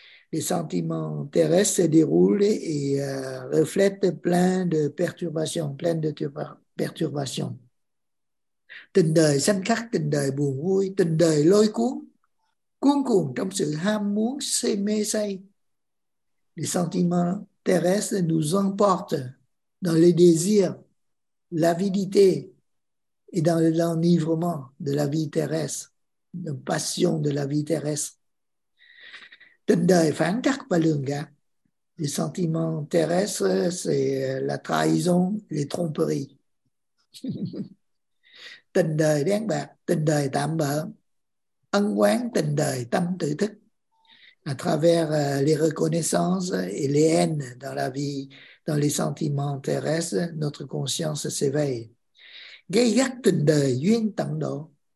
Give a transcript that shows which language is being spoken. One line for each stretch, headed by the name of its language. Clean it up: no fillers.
French: Les sentiments terrestres se déroulent et reflètent plein de perturbations, plein de perturbations.
Vietnamese: Tình đời sanh khắc, tình đời buồn vui, tình đời lôi cuốn, cuốn cuồng trong sự ham muốn si mê say.
French: Les sentiments terrestres nous emportent dans les désirs, l'avidité et dans l'enivrement de la vie terrestre, la passion de la vie terrestre.
Vietnamese: Tình đời phản khắc và lường gạt.
French: Les sentiments terrestres, c'est la trahison, les tromperies.
Vietnamese: Tình đời đen bạc, tình đời tạm bợ. Ân oán tình đời tâm tự thức.
French: À travers les reconnaissances et les haines dans la vie, dans les sentiments terrestres, notre conscience s'éveille.
Vietnamese: Gây gắt tình đời duyên tận độ.